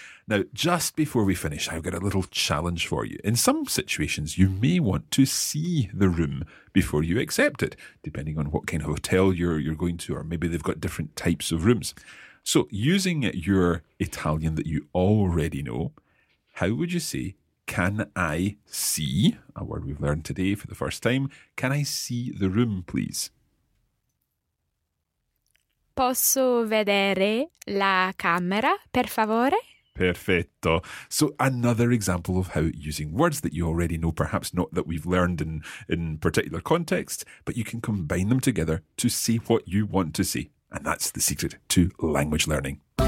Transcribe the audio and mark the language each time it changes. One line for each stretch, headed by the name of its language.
English: Now, just before we finish, I've got a little challenge for you. In some situations, you may want to see the room before you accept it, depending on what kind of hotel you're going to, or maybe they've got different types of rooms. So, using your Italian that you already know, how would you say, can I see, a word we've learned today for the first time, can I see the room, please?
Italian: Posso vedere la camera, per favore? Perfetto.
English: So another example of how using words that you already know, perhaps not that we've learned in particular context, but you can combine them together to see what you want to see. And that's the secret to language learning.